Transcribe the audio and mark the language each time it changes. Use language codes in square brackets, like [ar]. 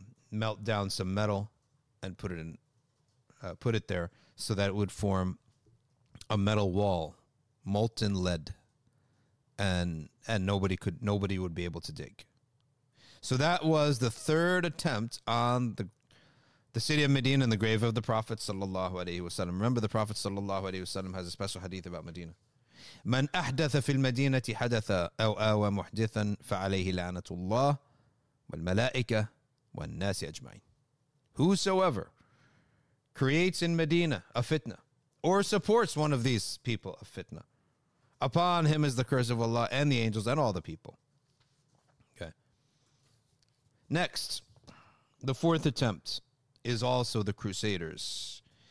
[en] melt down some metal and put it in, put it there so that it would form a metal wall, molten lead, and nobody would be able to dig. So that was the third attempt on the city of Medina and the grave of the Prophet sallallahu alaihi wasallam. Remember, the Prophet sallallahu alaihi wasallam has a special hadith about Medina. [ar] من أحدث في المدينة حدث أو آوى محدثا فعليه لعنة الله والملائكة والناس أجمعين. [en] Whosoever creates in Medina a fitna or supports one of these people of fitna, upon him is the curse of Allah and the angels and all the people. Okay. Next, the fourth attempt is also the Crusaders.